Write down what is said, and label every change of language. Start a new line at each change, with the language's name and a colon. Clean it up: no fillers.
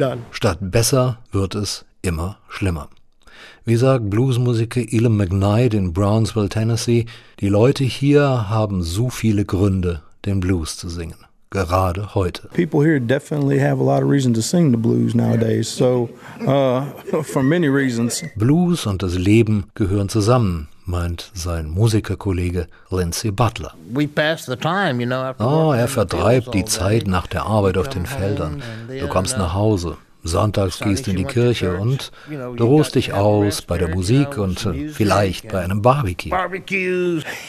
German: Statt besser wird es immer schlimmer. Wie sagt Bluesmusiker Elam McKnight in Brownsville, Tennessee, die Leute hier haben so viele Gründe, den Blues zu singen. Gerade heute.
English: People here definitely have a lot of reason to sing the blues nowadays. So, for many reasons.
German: Blues und das Leben gehören zusammen, meint sein Musikerkollege Lindsay Butler.
English: We pass the time, you know.
German: Er vertreibt die Zeit nach der Arbeit auf den Feldern. Du kommst nach Hause. Sonntags gehst du in die Kirche und du ruhst dich aus bei der Musik und vielleicht bei einem Barbecue.